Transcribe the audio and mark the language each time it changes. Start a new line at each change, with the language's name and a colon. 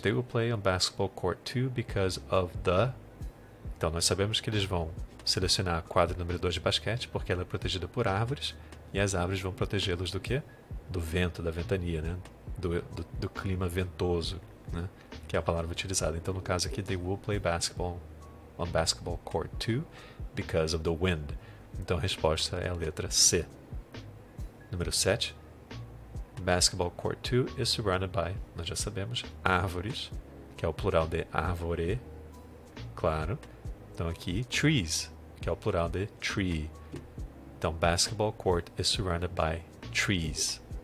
English: They will play on basketball court 2 because of the...
Portuguese: Então, nós sabemos que eles vão selecionar a quadra número 2 de basquete porque ela é protegida por árvores. E as árvores vão protegê-los do quê? Do vento, da ventania, né? Do clima ventoso, né? Que é a palavra utilizada. Então, no caso aqui,
English: they will play basketball on basketball court 2 because of the wind.
Portuguese: Então, a resposta é a letra C. Número 7.
English: Basketball court 2 is surrounded by,
Portuguese: nós já sabemos, árvores, que é o plural de árvore, claro. Então, aqui, trees, que é o plural de tree.
English: Então, basketball court is surrounded by trees.